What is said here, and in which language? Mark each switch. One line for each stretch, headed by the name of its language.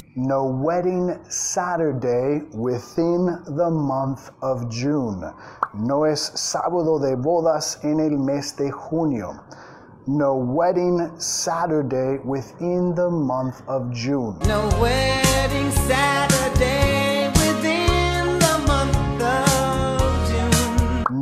English: No wedding Saturday within the month of June.
Spanish: No es sábado de bodas en el mes de junio.
English: No wedding Saturday within the month of June. No wedding Saturday within the month of June.